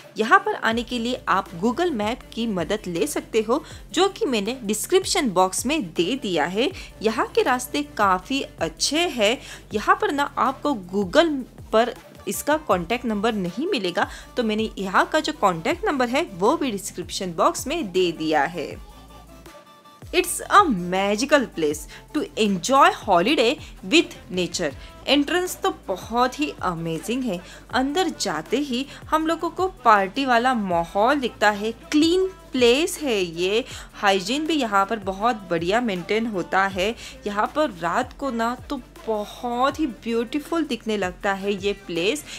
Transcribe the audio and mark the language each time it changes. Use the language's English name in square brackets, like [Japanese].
[Hindi] यहाँ पर आने के लिए आप गूगल मैप की मदद ले सकते हो, जो कि मैंने डिस्क्रिप्शन बॉक्स में दे दिया है। यहाँ के रास्ते काफ़ी अच्छे हैं। यहाँ पर ना आपको गूगल पर इसका कॉन्टैक्ट नंबर नहीं मिलेगा, तो मैंने यहाँ का जो कॉन्टैक्ट नंबर है वो भी डिस्क्रिप्शन बॉक्स में दे दिया है। [English] It's a magical place to enjoy holiday with nature. [Hindi] Entrance तो बहुत ही amazing है। अंदर जाते ही हम लोगों को पार्टी वाला माहौल दिखता है। Clean place है ये, hygiene भी यहाँ पर बहुत बढ़िया maintain होता है। यहाँ पर रात को ना तो बहुत ही beautiful दिखने लगता है ये place।